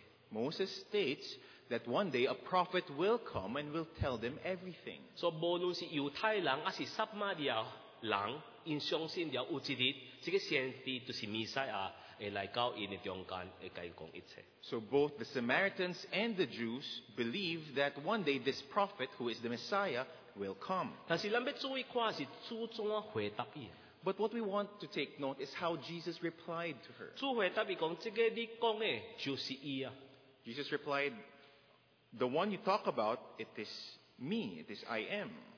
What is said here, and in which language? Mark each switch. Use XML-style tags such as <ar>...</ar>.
<en>Moses states that one day a prophet will come and will tell them everything.</en> <nan>So, 无论是犹太人还是撒玛利亚人，因相信了有一日，这个先知就是弥赛亚会来到因的中间，会跟伊讲一切。</nan> <en>So, both the Samaritans and the Jews believe that one day this prophet, who is the Messiah, will come.</en> <nan>但是，咱要注意看是主怎么回答伊。</nan> <en>But what we want to take note is how Jesus replied to her.</en> <nan>主回答伊讲，这个你讲的就是伊啊。</nan> <en>Jesus replied, the one you talk about, it is me, it is I am.</en>